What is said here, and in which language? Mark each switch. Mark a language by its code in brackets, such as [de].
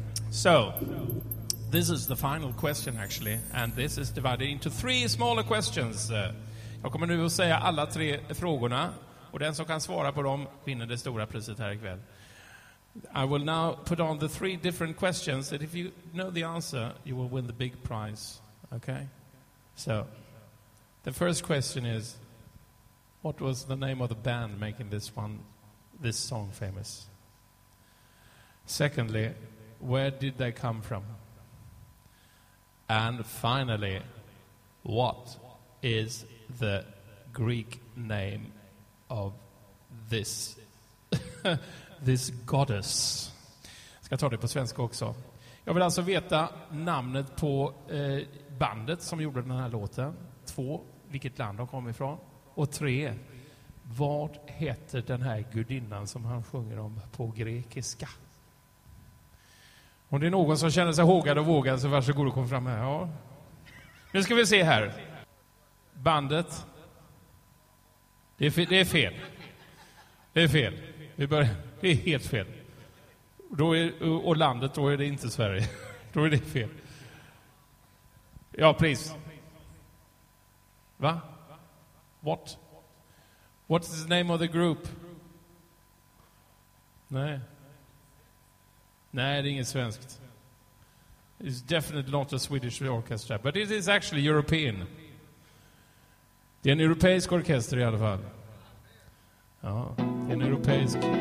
[en] So, this is the final question, actually, and this is divided into three smaller questions. [sv] Jag kommer nu att säga alla tre frågorna, och den som kan svara på dem vinner det stora priset här ikväll. [en] I will now put on the three different questions, and if you know the answer, you will win the big prize. Okay? So, the first question is, what was the name of the band making this one, this song famous? Secondly, where did they come from? And finally, what is the Greek name of this this goddess? [sv] Ska ta det på svenska också. Jag vill alltså veta namnet på bandet som gjorde den här låten. Två, vilket land de kom ifrån. Och tre, vad heter den här gudinnan som han sjunger om på grekiska? Om det är någon som känner sig hågad och vågad, så varsågod och kom fram här. Ja. Nu ska vi se här. Bandet. Det är fel. Det är fel. Det är helt fel. Då är, och landet, då är det inte Sverige. Då är det fel. Ja, please. Va? What? [en] What's the name of the group? [sv] Nej. Nej, det är inget svenskt. [en] It's definitely not a Swedish orchestra, but it is actually European. [sv] Det är en europeisk orkester i alla fall. Ja, det är en europeisk.